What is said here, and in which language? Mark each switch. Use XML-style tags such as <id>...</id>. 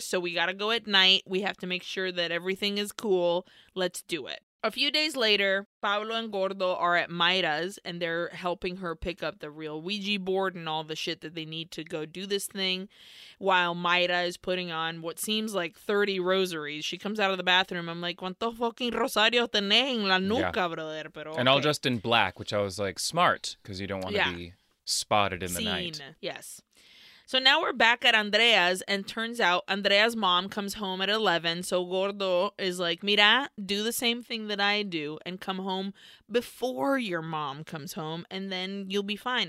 <en>So we got to go at night. We have to make sure that everything is cool. Let's do it. A few days later, Pablo and Gordo are at Mayra's and they're helping her pick up the real Ouija board and all the shit that they need to go do this thing while Mayra is putting on what seems like 30 rosaries. She comes out of the bathroom. I'm like,</en> <es>¿cuánto fucking rosario tenés en la nuca, brother? Pero okay.</es> <en>And all just in black, which I was like, smart, because you don't want to be spotted in seen. The night. Yes. So now we're back at Andrea's, and turns out Andrea's mom comes home at 11, so Gordo is like,</en> <es>mira,</es> <en>do the same thing that I do, and come home before your mom comes home, and then you'll be fine.</en>